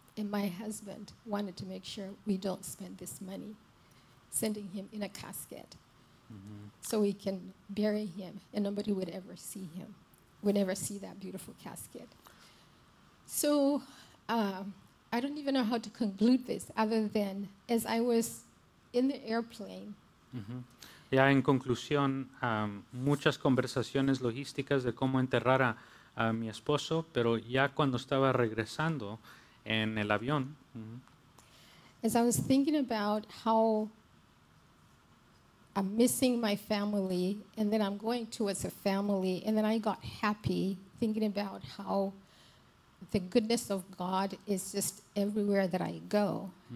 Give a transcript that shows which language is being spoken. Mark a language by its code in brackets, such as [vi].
[en] And my husband wanted to make sure we don't spend this money sending him in a casket so we can bury him and nobody would ever see him, would ever see that beautiful casket. So I don't even know how to conclude this other than as I was in the airplane. [es] Ya en conclusión, muchas conversaciones logísticas de cómo enterrar a mi esposo, pero ya cuando estaba regresando en el avión. [en] As I was thinking about how I'm missing my family, and then I'm going towards a family, and then I got happy thinking about how the goodness of God is just everywhere that I go.